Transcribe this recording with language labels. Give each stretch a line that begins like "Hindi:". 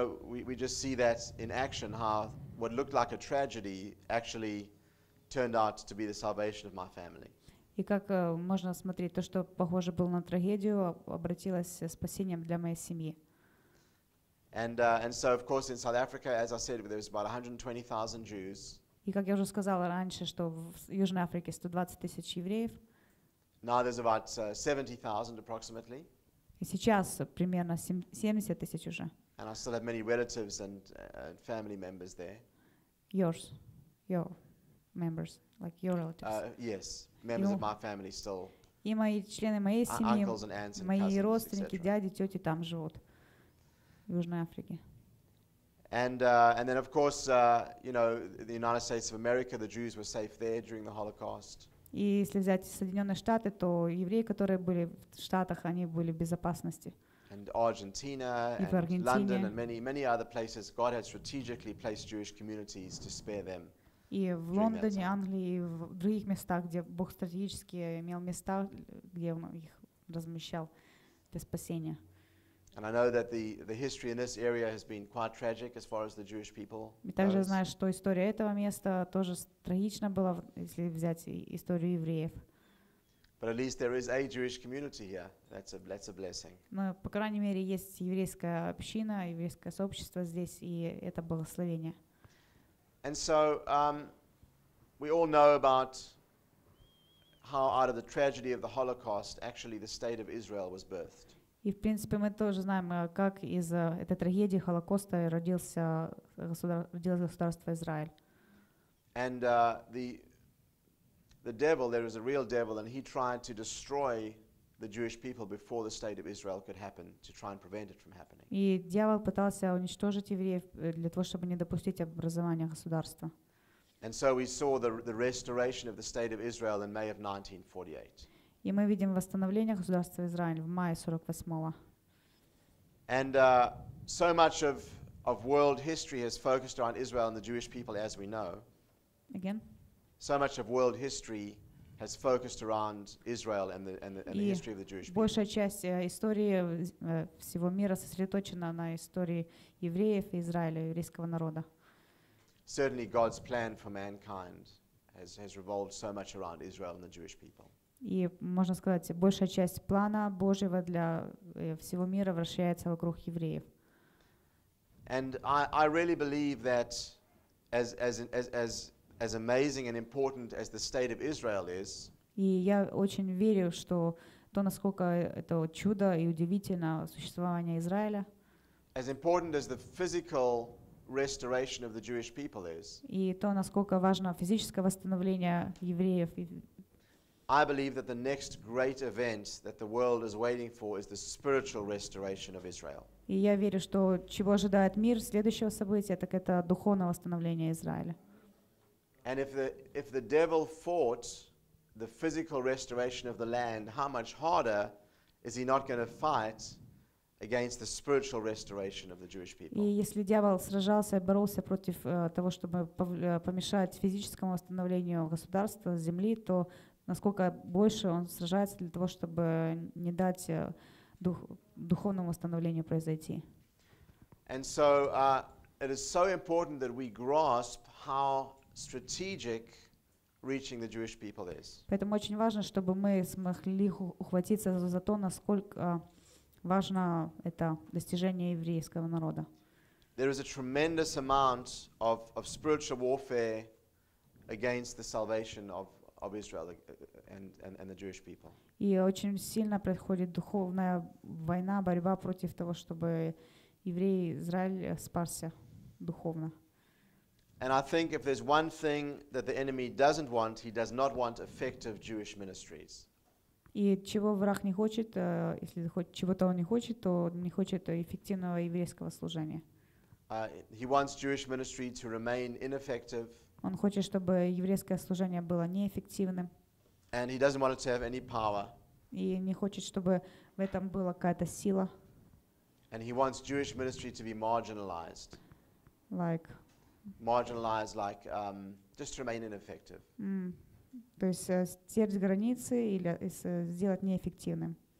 English: We just see that in action how what looked like a tragedy actually turned out to be the salvation of my family.
Russian: И как можно смотреть то, что похоже было на трагедию, обратилось спасением для моей семьи.
English: And so of course in South Africa, as I said, there was about 120,000 Jews.
Russian: И как я уже сказала раньше, что в Южной Африке 120 тысяч евреев.
English: Now there's about 70,000 approximately.
Russian: И сейчас примерно 70 тысяч уже.
English: And I still have many relatives and family members there. Yours, your members, like your relatives. Yes, members of my family still.
Russian: И мои члены моей семьи,
English: uncles and aunts and
Russian: мои
English: cousins,
Russian: родственники,
English: etc.
Russian: дяди, тети там живут в Южной Африке.
English: And then of course, you know, the United States of America, the Jews were safe there during the Holocaust.
Russian: И если взять Соединенные Штаты, то евреи, которые были в Штатах, они были в безопасности.
English: And Argentina,
Russian: и в Аргентине.
English: London, and many other places, God had strategically placed Jewish communities to spare them.
Russian: И в Лондоне, Англии, и в других местах, где Бог стратегически имел места, где Он их размещал для спасения.
English: And I know that the history in this area has been quite tragic as far as the Jewish people.
Russian: И также знаю, что история этого места тоже трагична была, если взять историю евреев.
English: But at least there is a Jewish community here. That's a blessing.
Russian: Но по крайней мере есть еврейская община, еврейское сообщество здесь, и это благословение.
English: And so we all know about how out of the tragedy of the Holocaust actually the state of Israel was birthed.
Russian: И, в принципе, мы тоже знаем, как из этой трагедии Холокоста родилось государство Израиль.
English: And the devil, there is a real devil, and he tried to destroy the Jewish people before the state of Israel could happen, to try and prevent it from happening.
Russian: И дьявол пытался уничтожить евреев для того, чтобы не допустить образования государства.
English: And so we saw the restoration of the state of Israel in May of 1948.
Russian: И мы видим восстановление государства Израиль в мае 48-го.
English: And so much of world history has focused on Israel and the Jewish people as we know. Again? So much of world history has focused around Israel and the history of the Jewish people.
Russian: Большая часть истории всего мира сосредоточена на истории евреев и Израиля, еврейского народа.
English: Certainly God's plan for mankind has revolved so much around Israel and the Jewish people.
Russian: И можно сказать, большая часть плана Божьего для всего мира вращается вокруг евреев.
English: And I really believe that as amazing and important as the state of Israel is.
Russian: И я очень верю, что то, насколько это чудо и удивительно существование Израиля.
English: As important as the physical restoration of the Jewish people is.
Russian: И то, насколько важно физическое восстановление евреев.
English: I believe that the next great event that the world is waiting for is the spiritual restoration of Israel.
Russian: И я верю, что чего ожидает мир следующего события, так это духовное восстановление Израиля.
English: And if the devil fought the physical restoration of the land, how much harder is he not going to fight against the spiritual restoration of the Jewish people?
Russian: И если дьявол сражался и боролся против того, чтобы помешать физическому восстановлению государства, земли, то насколько больше он сражается для того, чтобы не дать духовному восстановлению произойти.
English: And so it is so important that we grasp how strategic reaching the Jewish people is.
Russian: Поэтому очень важно, чтобы мы смогли ухватиться за то, насколько важно это достижение еврейского народа.
English: There is a tremendous amount of spiritual warfare against the salvation of Israel and the Jewish people.
Russian: И очень сильно происходит духовная война, борьба против того, чтобы евреи, Израиль спасся духовно.
English: And I think if there's one thing that the enemy doesn't want, he does not want effective Jewish ministries.
Russian: И чего враг не хочет, если хоть чего-то он не хочет, то не хочет эффективного еврейского служения.
English: He wants Jewish ministry to remain ineffective.
Russian: Он хочет, чтобы еврейское служение было неэффективным.
English: And he doesn't want it to have any power.
Russian: И не хочет, чтобы в этом была какая-то сила.
English: And he wants Jewish ministry to be marginalized. Like. Marginalized, like just remain ineffective. Mm.
Russian: То есть стереть границы или сделать неэффективным.